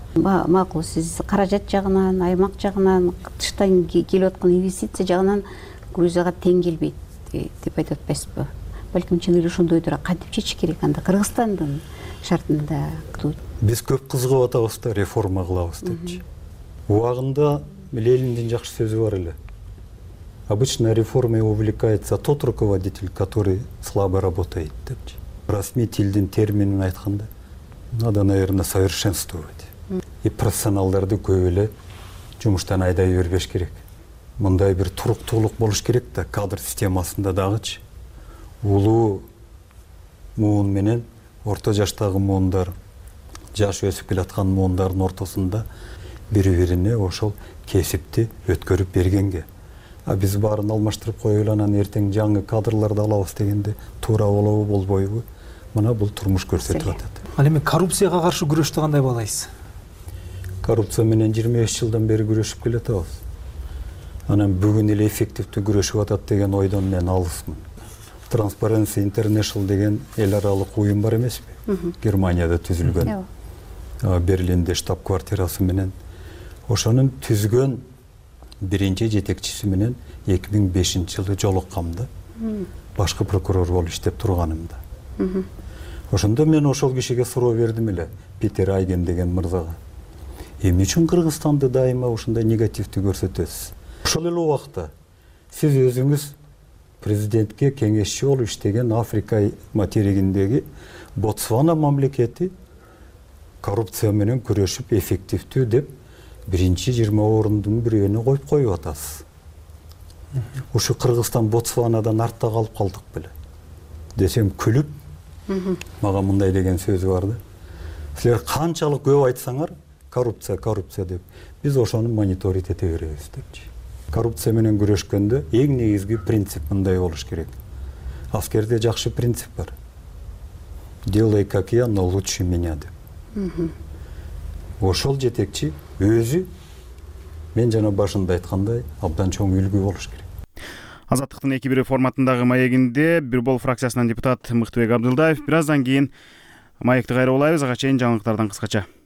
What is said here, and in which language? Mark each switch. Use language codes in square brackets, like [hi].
[ky] Макул, сиз каражат жагынан, аймак жагынан, тыштан келип аткан инвестиция жагынан Грузияга тең келбейт деп айтып атпайсызбы? Балким чын эле ошондойдур. Кантип чечиш керек анда Кыргызстандын шартында? Биз көп кызыгып атабыз да реформа кылабыз депчи. Убагында Лениндин жакшы сөзү бар эле. [ru] Обычно реформой увлекается тот руководитель, который слабо работает, [ky] депчи. Расми тилдин терминин айтканда, [ru] надо, наверное, совершенствовать. [ky] И профессионалдарды көп эле жумуштан айдай бербеш керек. Мындай бир туруктуулук болуш керек да, кадр системасында дагычы. Улуу муун менен орто жаштагы муундар, жаш өсүп келаткан муундардын ортосунда бири бирине ошол кесипти өткөрүп бергенге. А биз баарын алмаштырып коюп эле анан эртең жаңы кадрларды алабыз дегенде туура болобу, болбойбу? Мына бул турмуш көрсөтүп атат. Ал эми коррупцияга каршы күрөштү кандай баалайсыз? Коррупция менен 25 жылдан бери күрөшүп келатабыз. Анан бүгүн эле эффективдүү күрөшүп атат деген ойдон мен алысмын. Transparency International деген эл аралык уюм бар эмеспи? Германияда түзүлгөн. Берлинде штаб-квартирасы менен. Ошонун түзгөн биринчи жетекчиси менен 2005-жылы жолукканда. Башкы прокурор болуп иштеп турганымда. Ошондо мен ошол кишиге суроо бердим эле, Питер Айген деген мырзага. Эмне үчүн Кыргызстанды дайыма ушундай негативдүү көрсөтөсүз? Ошол эле убакта сиз өзүңүз президентке кеңешчи болуп иштеген Африка материгиндеги Ботсвана мамлекети коррупция менен күрөшүп эффективдүү деп биринчи 20 орундун бирөөнү коюп коюп атасыз. Ушу Кыргызстан Ботсванадан артта калып калдык беле десем күлүп, мага мындай деген сөзү бар да. Силер канчалык көп айтсаңар коррупция, коррупция деп, биз ошону мониторит эте беребиз депчи. Коррупция менен күрөшкөндө эң негизги принцип мындай болуш керек. Аскерде жакшы принцип бар. [ru] Делай как я, но лучше меня деп. [ky] Ошол жетекчи өзү мен жана башында айткандай абдан чоң үлгү болуш керек. Азаттыктын эки бири форматындагы маегинде Бирбол фракциясынан депутат Мыктыбек Абдылдаев. Бираздан кийин маекти кайра улайбыз. Ага чейин жаңылыктардан кыскача.